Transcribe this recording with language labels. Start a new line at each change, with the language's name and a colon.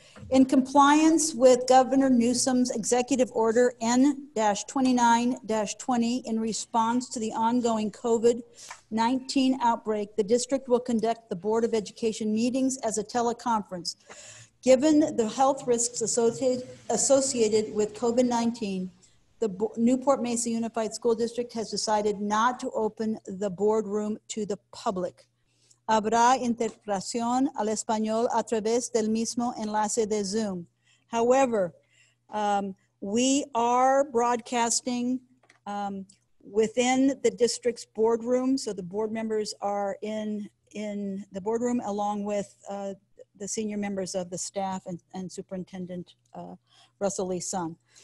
English: In compliance with Governor Newsom's Executive Order N-29-20, in response to the ongoing COVID-19 outbreak, the district will conduct the Board of Education meetings as a teleconference. Given the health risks associated with COVID-19, the Newport-Mesa Unified School District has decided not to open the boardroom to the public.
Spanish: Habrá interpretación al español a través del mismo enlace de Zoom.
English: However, we are broadcasting within the district's boardroom. So the board members are in the boardroom along with the senior members of the staff and Superintendent Russell Lee Sung.